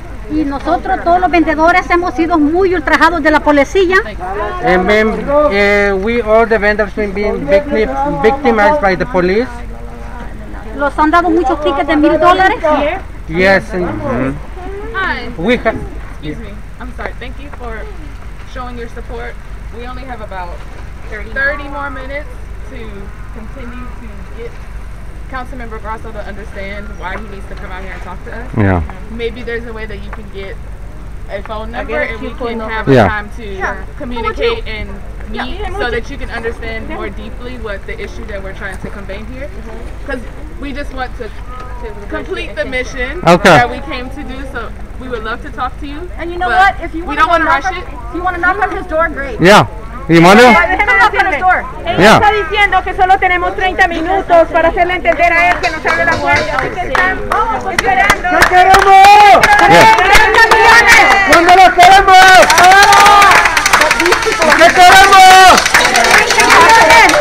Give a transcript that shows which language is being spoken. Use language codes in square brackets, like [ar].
[es] Y nosotros todos los vendedores hemos sido muy ultrajados de la policía. [en] And then, we all the vendors have been victimized by the police. [es] Los han dado muchos tickets de $1,000. [en] Yes. And, Hi. We excuse me. I'm sorry. Thank you for showing your support. We only have about 30 more minutes to continue to get Council Member Grosso to understand why he needs to come out here and talk to us. Yeah. Maybe there's a way that you can get a phone number and we can have a time to communicate and meet so that you can understand more deeply what the issue that we're trying to convey here. Because we just want to complete the mission that we came to do, so we would love to talk to you. And you know what? If you don't want to rush it. If you want to knock on his door, great. [es] Yeah. ¿Y Manu? Ella está diciendo que solo tenemos 30 minutos para hacerle entender a él que nos abre la puerta. Así que están esperando. ¡No queremos! ¡30 millones! ¿Dónde los queremos? ¿Qué queremos?